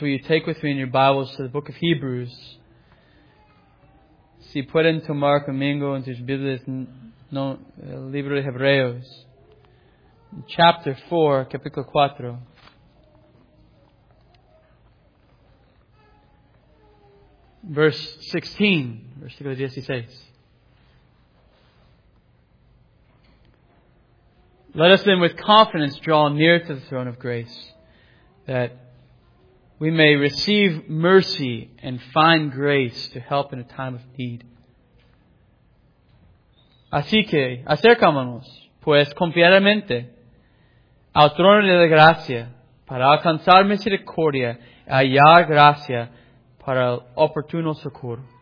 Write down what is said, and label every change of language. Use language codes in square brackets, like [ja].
[en] Will you take with me in your Bibles to the book of Hebrews? [es] Si pueden tomar conmigo en sus Biblias, no, el libro de Hebreos. [en] Chapter 4, [es] capítulo 4. Versículo 16. [en] Let us then with confidence draw near to the throne of grace, that we may receive mercy and find grace to help in a time of need. [es] Así que acercámonos, pues confiadamente, al trono de la gracia, para alcanzar misericordia y hallar gracia para el oportuno socorro.